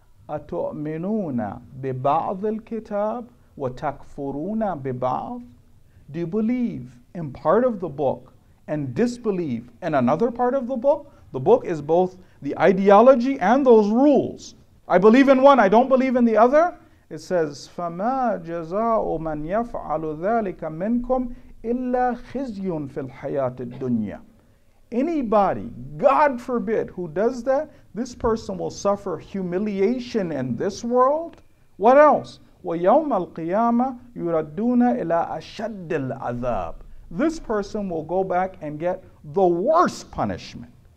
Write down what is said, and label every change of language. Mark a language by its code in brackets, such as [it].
[ar] أَتُؤْمِنُونَ بِبَعْضِ الْكِتَابِ وَتَكْفُرُونَ بِبَعْضِ. [en] Do you believe in part of the book and disbelieve in another part of the book? The book is both the ideology and those rules. I believe in one, I don't believe in the other. It says, [ar] فَمَا جَزَاءُ مَنْ يَفْعَلُ ذَلِكَ مِنْكُمْ إِلَّا خِزْيٌ فِي الْحَيَاةِ الدُّنْيَا. [en] Anybody, God forbid, who does that, this person will suffer humiliation in this world. What else? [ar] وَيَوْمَ الْقِيَامَةِ يُرَدُّونَ إِلَىٰ أَشَدِّ الْعَذَابِ. [en] This person will go back and get the worst punishment.